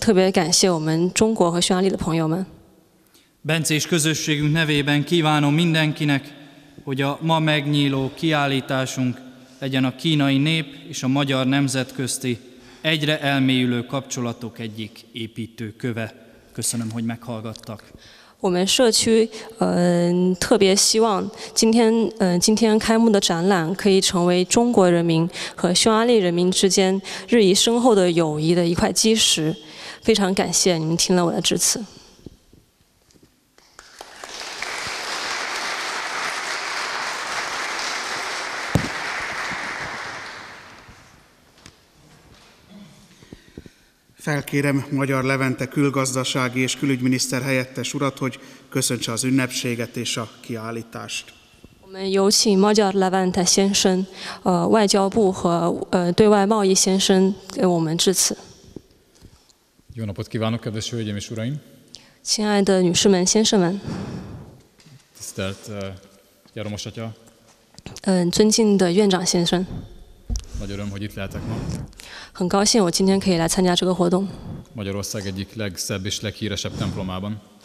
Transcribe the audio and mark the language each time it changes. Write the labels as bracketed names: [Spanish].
[Chinese] 特别感谢匈牙利，驻匈牙利，中国大使馆驻匈牙利，特别感谢匈牙利政府，也特别感谢我们中国和匈牙利的朋友们。 [Hungarian] Bencés közösségünk nevében kívánom mindenkinek, hogy a ma megnyíló kiállításunk legyen a kínai nép és a magyar nemzet közti egyre elmélyülő kapcsolatok egyik építő köve. Köszönöm, hogy meghallgattak. [Chinese] 我们社区特别希望今天开幕的展览可以成为中国人民和匈牙利人民之间日益深厚的友谊的一块基石。非常感谢您听了我的致辞。 [Hungarian] Felkérem Magyar Levente külgazdasági és külügyminiszter helyettes urat, hogy köszöntse az ünnepséget és a kiállítást. [Chinese] 我们有请 Magyar Levente 先生, 外交部和 对外贸易 先生 给我们致辞. [Hungarian] Jó napot kívánok, kedves hölgyeim és uraim! [Chinese] 亲爱的女士们, 先生们! [Hungarian] Tisztelt Jaromos atya! [Chinese] 尊敬的院长 先生! [Hungarian] Nagy öröm, hogy itt lehetek ma. [Chinese] 很高兴我今天可以来参加这个活动。 [Hungarian] Magyarország egyik legszebb és leghíresebb templomában.